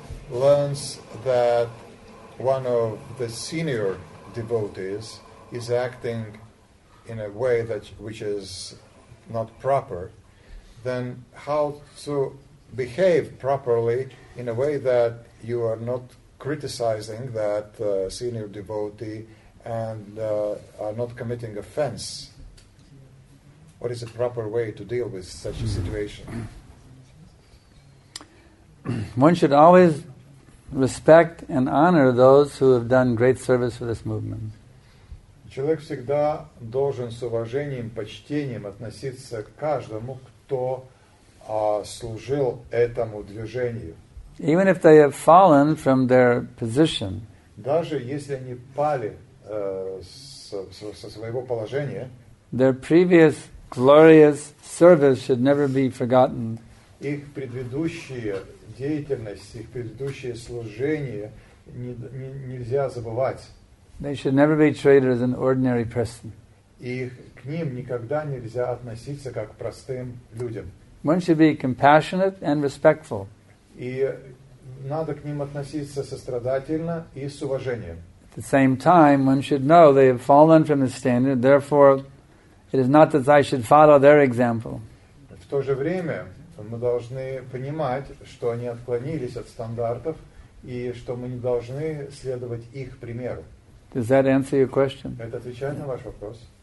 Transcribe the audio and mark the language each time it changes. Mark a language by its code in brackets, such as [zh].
[en] learns that one of the senior devotees is acting in a way that which is not proper, then how to behave properly in a way that you are not criticizing that senior devotee and are not committing offense. What is the proper way to deal with such a situation? One should always respect and honor those who have done great service for this movement. [ru] Человек всегда должен с уважением, почтением относиться к каждому, кто служил этому движению. [en] Even if they have fallen from their position, [ru] даже если они пали со своего положения, [en] their previous glorious service should never be forgotten. [ru] Их предыдущая деятельность, их предыдущее служение нельзя забывать. [en] They should never be treated as an ordinary person. [ru] Их к ним никогда нельзя относиться как к простым людям. [en] One should be compassionate and respectful. [ru] И надо к ним относиться сострадательно и с уважением. [en] At the same time, one should know they have fallen from the standard, therefore it is not that I should follow their example. [ru] В то же время мы должны понимать, что они отклонились от стандартов и что мы не должны следовать их примеру. [en] Does that answer your question? [ru] Это отвечает на ваш вопрос?